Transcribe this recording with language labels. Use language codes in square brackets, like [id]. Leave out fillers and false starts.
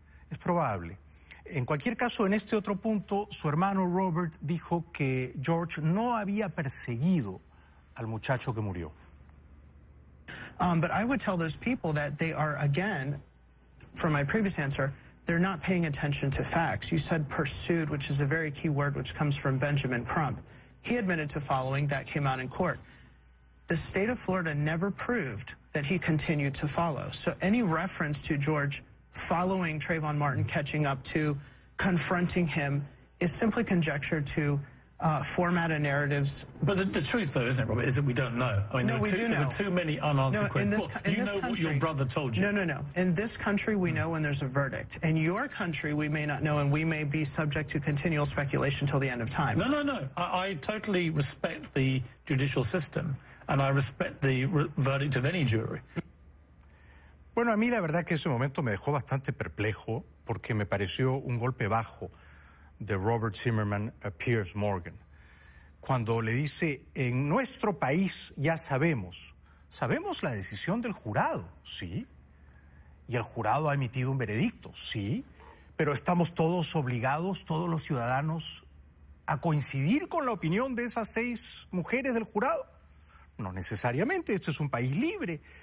[es] Es probable. En cualquier caso, en este otro punto, su hermano Robert dijo que George no había perseguido al muchacho que murió. [en] But I would tell those people that they are, again, from my previous answer, they're not paying attention to facts. You said pursued, which is a very key word, which comes from Benjamin Crump. He admitted to following. That came out in court. The state of Florida never proved that he continued to follow. So any reference to George following Trayvon Martin, catching up to, confronting him, is simply conjecture to format a narratives. But the truth, though, isn't it, Robert, is that we don't know. I mean, no, we do know. There are too many unanswered questions. You know what your brother told you. No. In this country, we know when there's a verdict. In your country, we may not know, and we may be subject to continual speculation till the end of time. No. I totally respect the judicial system, and I respect the verdict of any jury. [es] Bueno, a mí la verdad que ese momento me dejó bastante perplejo porque me pareció un golpe bajo de Robert Zimmerman a Piers Morgan, cuando le dice, en nuestro país ya sabemos la decisión del jurado, sí, y el jurado ha emitido un veredicto, sí, pero estamos todos obligados, todos los ciudadanos, a coincidir con la opinión de esas seis mujeres del jurado. No necesariamente, este es un país libre